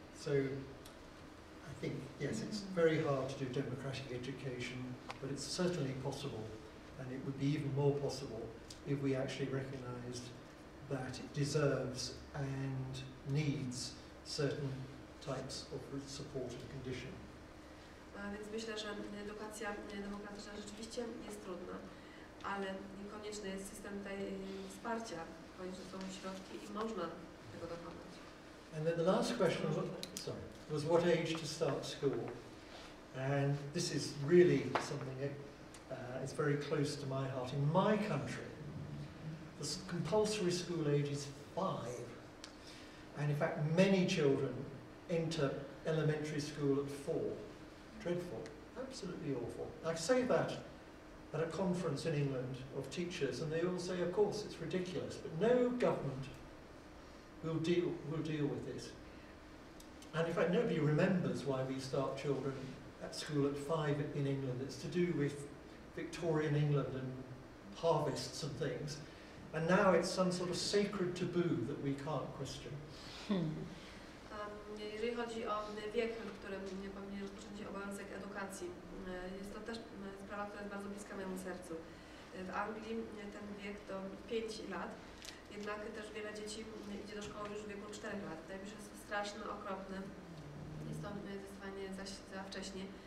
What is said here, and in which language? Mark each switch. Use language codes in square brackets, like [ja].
[en] So I think, yes, it's very hard to do democratic education, but it's certainly possible, and it would be even more possible if we actually recognized that it deserves and needs certain types of support and condition. [pl] Więc myślę, że edukacja demokratyczna rzeczywiście jest trudna, ale konieczny jest system tej wsparcia, konieczne są środki i można tego dokonać. [en] And then the last question was, sorry, was what age to start school? And this is really something that is very close to my heart. In my country, the compulsory school age is 5. And in fact, many children enter elementary school at 4. Dreadful, absolutely awful. I say that at a conference in England of teachers, and they all say, of course, it's ridiculous, but no government will deal with this. And in fact, nobody remembers why we start children at school at 5 in England. It's to do with Victorian England and harvests and things. And now it's some sort of sacred taboo that we can't question. [pl] Jeżeli chodzi o wiek, w którym powinien rozpocząć obowiązek edukacji, jest to też sprawa, która jest bardzo bliska mojemu sercu. W Anglii ten wiek to 5 lat. Jednak też wiele dzieci idzie do szkoły już w wieku 4 lat. Najpierw jest to straszne, okropne. Jest to zdecydowanie za wcześnie.